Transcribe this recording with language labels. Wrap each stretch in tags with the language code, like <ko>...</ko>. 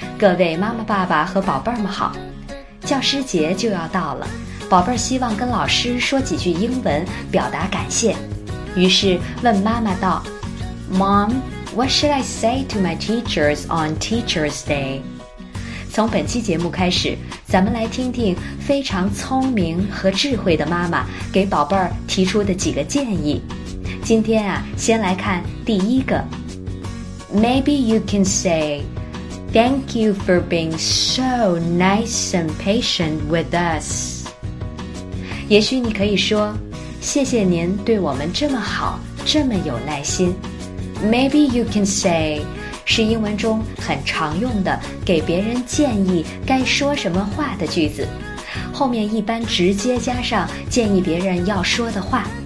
<zh>各位妈妈爸爸和宝贝儿们好，教师节就要到了，宝贝儿希望跟老师说几句英文表达感谢，于是问妈妈道</zh> <en>Mom, what should I say to my teachers on Teacher's Day?</en> <zh>从本期节目开始，咱们来听听非常聪明和智慧的妈妈给宝贝儿提出的几个建议。今天啊，先来看第一个。</zh> <en>Maybe you can say, thank you for being so nice and patient with us.</en> <zh>也许你可以说，谢谢您对我们这么好，这么有耐心。</zh> <en>Maybe you can say,</en> <zh>是英文中很常用的给别人建议该说什么话的句子，后面一般直接加上建议别人要说的话。</zh>